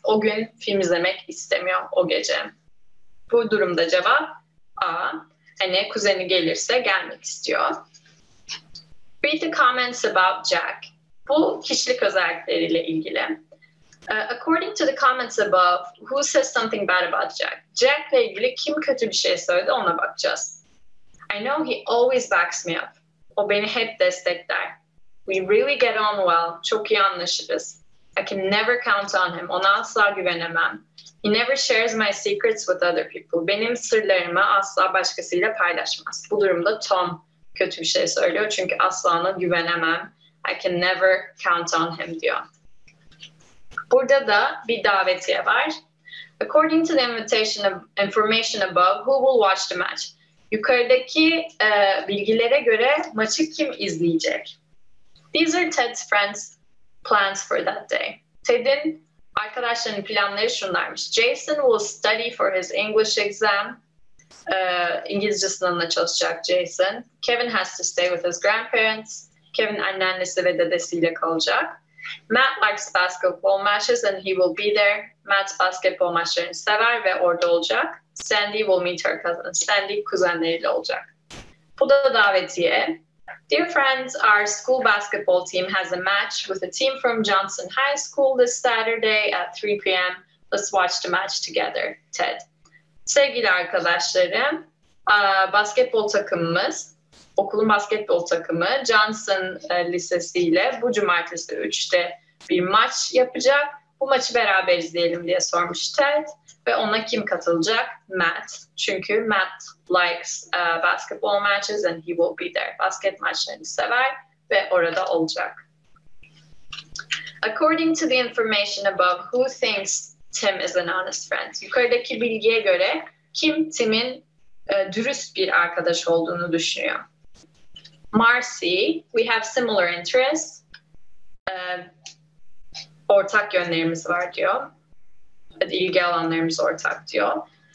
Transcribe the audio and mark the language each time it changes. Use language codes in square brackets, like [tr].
[tr] O gün film izlemek istemiyor o gece. Bu durumda cevap A. Hani kuzeni gelirse gelmek istiyor. [en] Read the comments about Jack. [tr] Bu kişilik özellikleriyle ilgili. [en] According to the comments above, who says something bad about Jack? [tr] Jack'la ilgili kim kötü bir şey söyledi ona bakacağız. [en] I know he always backs me up. [tr] O beni hep destekler. [en] We really get on well. [tr] Çok iyi anlaşırız. [en] I can never count on him. [tr] Ona asla güvenemem. [en] He never shares my secrets with other people. [tr] Benim sırlarımı asla başkasıyla paylaşmaz. Bu durumda Tom kötü bir şey söylüyor. Çünkü asla ona güvenemem. [en] I can never count on him [tr] diyor. Burada da bir davetiye var. [en] According to the invitation of information above, who will watch the match? [tr] Yukarıdaki bilgilere göre maçı kim izleyecek? [en] These are Ted's friends' plans for that day. [tr] Ted'in arkadaşlarının planları şunlarmış. [en] Jason will study for his English exam. [tr] İngilizce sınavına çalışacak Jason. [en] Kevin has to stay with his grandparents. [tr] Kevin anneannesi ve dedesiyle kalacak. [en] Matt likes basketball matches and he will be there. [tr] Matt basketball maçlarını sever ve orada olacak. [en] Sandy will meet her cousin. [tr] Sandy kuzenleriyle olacak. Bu da davetiye. [en] Dear friends, our school basketball team has a match with a team from Johnson High School this Saturday at 3 p.m. Let's watch the match together, Ted. [tr] Sevgili arkadaşlarım, basketbol takımımız, okulun basketbol takımı Johnson Lisesi ile bu cumartesi 3'te bir maç yapacak. Bu maçı beraber izleyelim diye sormuş Ted. Ve ona kim katılacak? Matt. Çünkü [en] Matt likes basketball matches and he will be there. [tr] Basket maçlarını sever ve orada olacak. [en] According to the information above, who thinks Tim is an honest friend? [tr] Yukarıdaki bilgiye göre kim Tim'in dürüst bir arkadaş olduğunu düşünüyor? [en] Marcy, we have similar interests. [tr] Ortak yönlerimiz var diyor. İlgi alanlarımız ortak diyor.